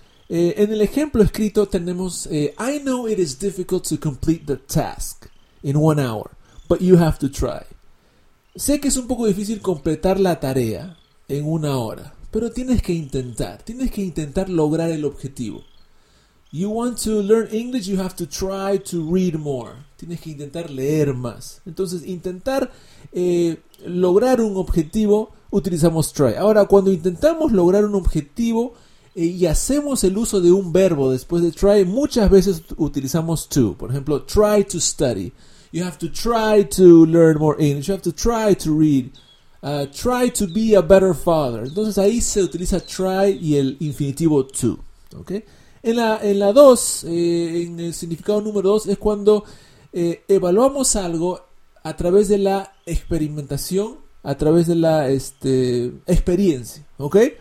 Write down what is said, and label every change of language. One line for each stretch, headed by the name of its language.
Spanish: En el ejemplo escrito tenemos
English: I know it is difficult to complete the task in 1 hour, but you have to try.
Spanish: Sé que es un poco difícil completar la tarea en 1 hora, pero tienes que intentar. Tienes que intentar lograr el objetivo.
English: You want to learn English, you have to try to read more.
Spanish: Tienes que intentar leer más. Entonces, intentar lograr un objetivo, utilizamos try. Ahora, cuando intentamos lograr un objetivo y hacemos el uso de un verbo después de try, muchas veces utilizamos to. Por ejemplo,
English: try to study. You have to try to learn more English. You have to try to read. Try to be a better father.
Spanish: Entonces, ahí se utiliza try y el infinitivo to. ¿Ok? En el significado número 2, es cuando evaluamos algo a través de la experimentación, a través de la experiencia, ¿ok?